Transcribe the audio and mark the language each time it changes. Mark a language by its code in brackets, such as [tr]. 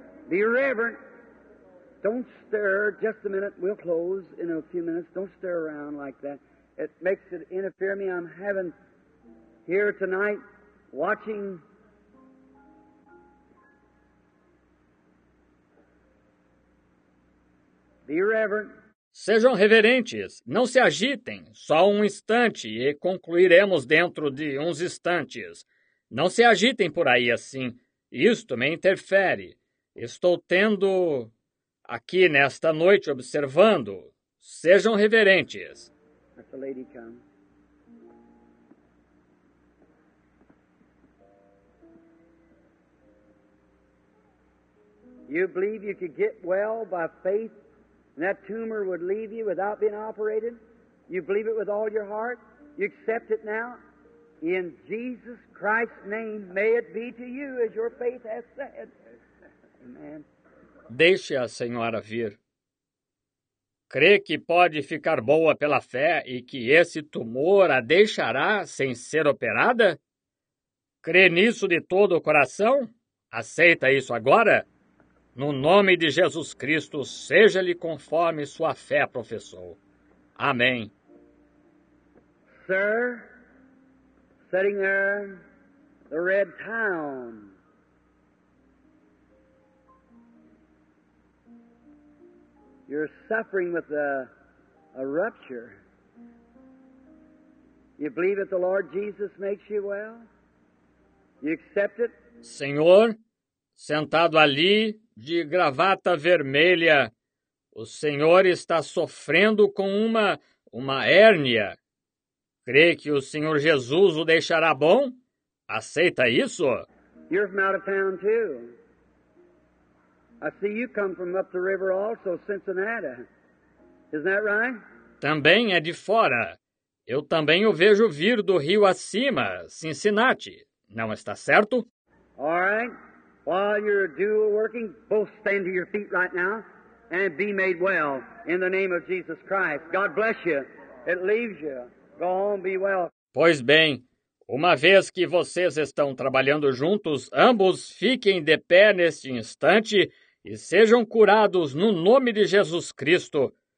[en] Be reverent. Don't stir. Just a minute. We'll close in a few minutes. Don't stir around like that. It makes it interfere me. I'm having here tonight watching. Be reverent. [pt] Sejam reverentes, não se agitem, só um instante e concluiremos dentro de uns instantes. Não se agitem por aí assim, isto me interfere. Estou tendo aqui nesta noite observando. Sejam reverentes. [en] Let the lady come. You believe you could get well by faith? And that tumor would leave you without being operated? You believe it with all your heart? You accept it now? In Jesus Christ's name, may it be to you as your faith has said. Amen. [pt] Deixe a senhora vir. Crê que pode ficar boa pela fé e que esse tumor a deixará sem ser operada? Crê nisso de todo o coração? Aceita isso agora? No nome de Jesus Cristo, seja-lhe conforme sua fé, professor. Amém. [en] Sir, sitting there, the red town. You're suffering with a rupture. You believe that the Lord Jesus makes you well? You accept it? [pt] Senhor, sentado ali, de gravata vermelha, o senhor está sofrendo com uma hérnia. Crê que o Senhor Jesus o deixará bom? Aceita isso? [en] You're from out of town too. I see you come from up the river also, Cincinnati. Isn't that right? [pt] Também é de fora. Eu também o vejo vir do rio acima, Cincinnati. Não está certo? [en] All right. While you're dual working, both stand to your feet right now and be made well in the name of Jesus Christ. God bless you. It leaves you. Go home, be well. [pt] Pois bem, uma vez que vocês estão trabalhando juntos, ambos fiquem de pé neste instante e sejam curados no nome de Jesus Cristo.